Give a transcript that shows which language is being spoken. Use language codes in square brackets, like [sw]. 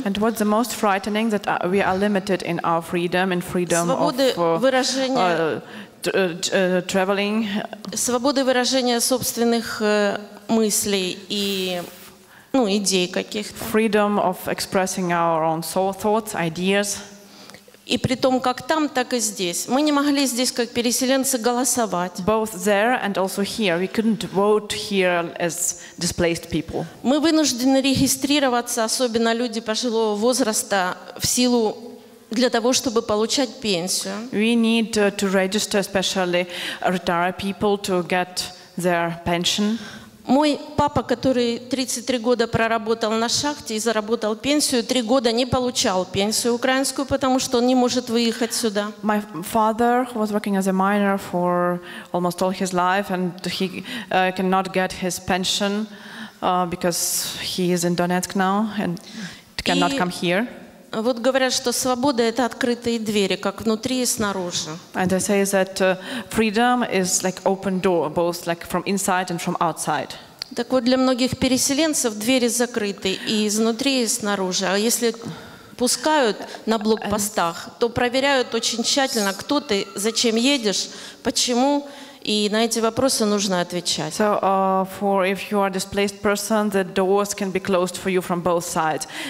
[en] And what's the most frightening, that we are limited in our freedom, in freedom [ru] свободы [en] of... [ru] Свободы выражения... [en] traveling. [ru] Свободы выражения собственных мыслей и, ну, идей каких-то. [en] Freedom of expressing our own thoughts, ideas. [ru] И при том, как там, так и здесь. Мы не могли здесь, как переселенцы, голосовать. [en] Both there and also here. We couldn't vote here as displaced people. [ru] Мы вынуждены регистрироваться, особенно люди пожилого возраста, в силу для того, чтобы получать пенсию. [en] We need to register, especially retired people, to get their pension. [ru] Мой папа, который 33 года проработал на шахте и заработал пенсию, 3 года не получал пенсию украинскую, потому что он не может выехать сюда. [en] My father, who was working as a miner for almost all his life, and he cannot get his pension because he is in Donetsk now and cannot come here. [ru] Вот говорят, что свобода — это открытые двери, как внутри и снаружи. [en] And they say that freedom is like open door, both like from inside and from outside. [ru] Так вот, для многих переселенцев двери закрыты и изнутри, и снаружи. А если пускают на блокпостах, то проверяют очень тщательно, кто ты, зачем едешь, почему. И на эти вопросы нужно отвечать. [en] So, for if you are a displaced person, the doors can be closed for you from both sides.